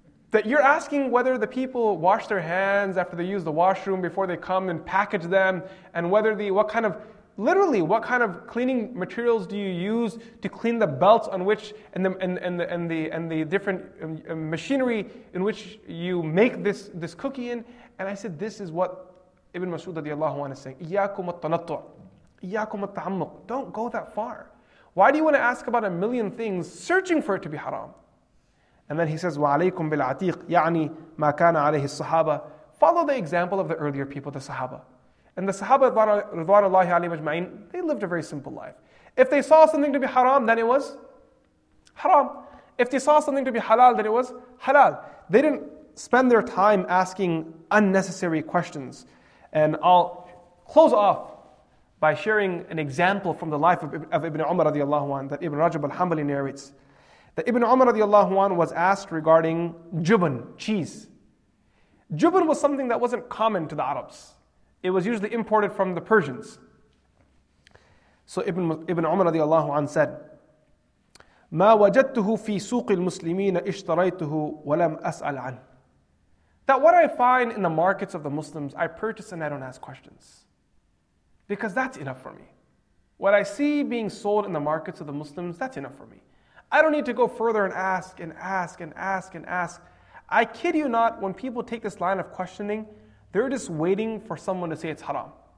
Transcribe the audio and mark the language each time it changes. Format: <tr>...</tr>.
<en>That you're asking whether the people wash their hands after they use the washroom before they come and package them, and whether what kind of cleaning materials do you use to clean the belts on which and the different machinery in which you make this cookie in? And I said, this is what Ibn Mas'ud radiallahu anhu is saying.</en> <ar>إياكم التنطع. إياكم التعمق.</ar> <en>Don't go that far. Why do you want to ask about a million things searching for it to be haram? And then he says,</en> <ar>وَعَلَيْكُمْ بِالْعَتِيقِ يَعْنِي مَا كَانَ عَلَيْهِ الصَّحَابَ.</ar> <en>Follow the example of the earlier people, the Sahaba. And the Sahaba, رضوانullahi عليهم اجمعين, they lived a very simple life. If they saw something to be haram, then it was haram. If they saw something to be halal, then it was halal. They didn't spend their time asking unnecessary questions. And I'll close off by sharing an example from the life of Ibn Umar radiallahu anhu that Ibn Rajab al-Hanbali narrates. That Ibn Umar radiallahu anhu was asked regarding juban, cheese. Juban was something that wasn't common to the Arabs. It was usually imported from the Persians. So Ibn Umar radiallahu anhu said,</en> <ar>مَا وَجَدْتُهُ فِي سُوقِ الْمُسْلِمِينَ اشْتَرَيْتُهُ وَلَمْ أَسْأَلْ عَنْهُ.</ar> <en>That what I find in the markets of the Muslims, I purchase and I don't ask questions. Because that's enough for me. What I see being sold in the markets of the Muslims, that's enough for me. I don't need to go further and ask and ask and ask and ask. I kid you not, when people take this line of questioning, they're just waiting for someone to say it's haram.</en>